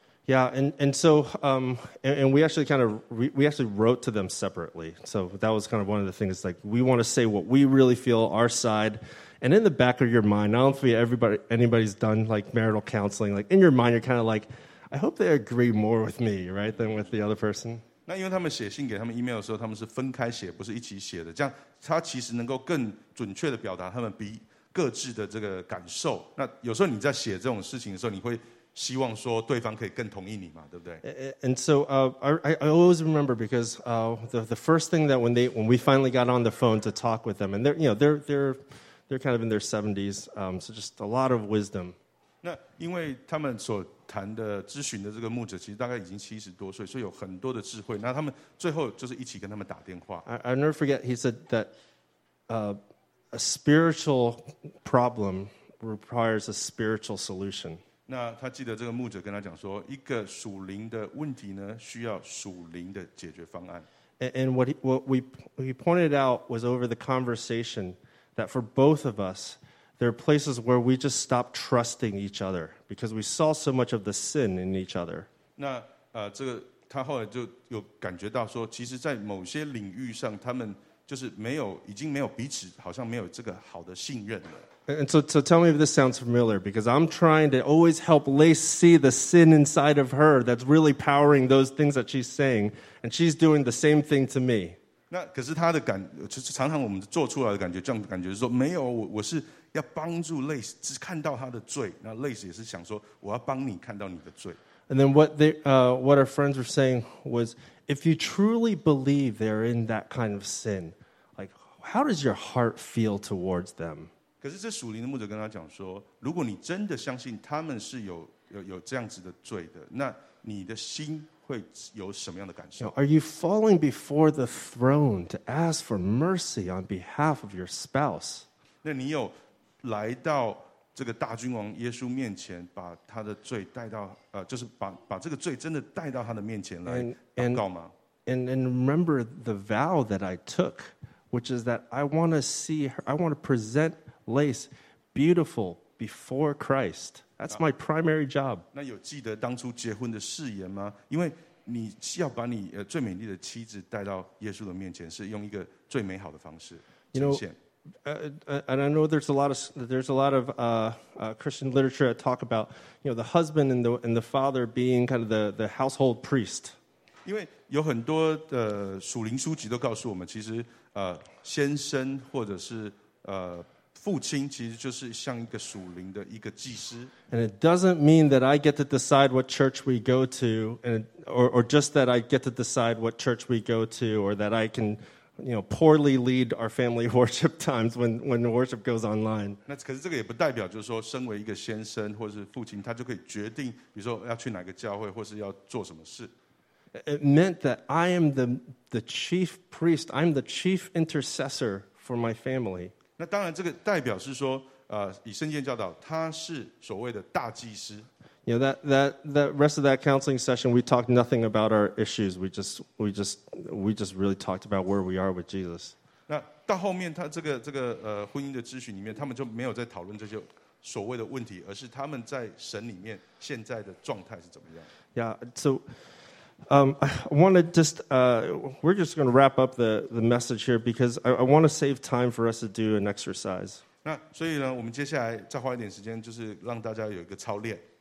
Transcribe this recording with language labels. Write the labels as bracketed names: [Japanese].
[English] Yeah, and so we actually kind of we actually wrote to them separately. So that was kind of one of the things, like, we want to say what we really feel, our side. And in the back of your mind, I don't know if anybody's done like marital counseling, like in your mind you're kind of like, I hope they agree more with me, right, than with the other person. [Chinese] 那因为他们写信给他们 email 的时候，他们是分开写，不是一起写的。这样他其实能够更准确的表达他们彼各自的这个感受。那有时候你在写这种事情的时候，你会希望说对方可以更同意你嘛，对不对？ [English] And so I always remember because the first thing that when we finally got on the phone to talk with them, and they're, you know, they're kind of in their 70s, so just a lot of wisdom. [Chinese] 那因为他们所谈的咨询的这个牧者其实大概已经70多岁，所以有很多的智慧。那他们最后就是一起跟他们打电话。 [English] I'll never forget, he said that a spiritual problem requires a spiritual solution. [Chinese] 那他记得这个牧者跟他讲说，一个属灵的问题呢，需要属灵的解决方案。 [English] And what we pointed out was over the conversation that for both of us, there are places where we just stop trusting each other because we saw so much of the sin in each other. [Chinese] 那这个他后来就有感觉到说，其实在某些领域上，他们就是没有，已经没有彼此，好像没有这个好的信任了。 [English] And so tell me if this sounds familiar, because I'm trying to always help Lace see the sin inside of her that's really powering those things that she's saying, and she's doing the same thing to me. [Chinese] 那可是她的感，常常我们做出来的感觉，这样的感觉是说，没有，我是要帮助 Lace 只看到她的罪，那 Lace 也是想说，我要帮你看到你的罪。 [English] And then what our friends were saying was, if you truly believe they're in that kind of sin, like, how does your heart feel towards them? [Chinese] 可是这属灵的牧者跟他讲说，如果你真的相信他们是有这样子的罪的，那你的心会有什么样的感受？ [English] Are you falling before the throne to ask for mercy on behalf of your spouse? [Chinese] 那你有来到这个大君王耶稣面前，把他的罪带到就是把这个罪真的带到他的面前来祷告吗？ [English] And remember the vow that I took, which is that I want to present Lace, beautiful before Christ. That's my primary job. [Chinese] 那有记得当初结婚的誓言吗？因为你要把你最美丽的妻子带到耶稣的面前，是用一个最美好的方式呈现。 [English] And I know there's a lot of Christian literature that talk about, you know, the husband and the father being kind of the household priest. [Chinese] 因为有很多的属灵书籍都告诉我们，其实先生或者是父亲其实就是像一个属灵的一个祭司。 [English] And it doesn't mean that I get to decide what church we go to, or just that I get to decide what church we go to, or that I can, you know, poorly lead our family worship times when worship goes online. [Chinese] 那可是这个也不代表就是说，身为一个先生或是父亲，他就可以决定，比如说要去哪个教会，或是要做什么事。 [English] It meant that I am the chief priest. I'm the chief intercessor for my family. [Chinese] 那当然，这个代表是说，以圣殿教导他是所谓的大祭司。 [English] You know, that rest of that counseling session, we talked nothing about our issues. We just really talked about where we are with Jesus. [Chinese] 那到后面，他这个婚姻的咨询里面，他们就没有在讨论这些所谓的问题，而是他们在神里面现在的状态是怎么样。 [English] Yeah, so. I want to just, we're just going to wrap up the message here because I want to save time for us to do an exercise. [Chinese] 那所以呢，我们接下来再花一点时间，就是让大家有一个操练。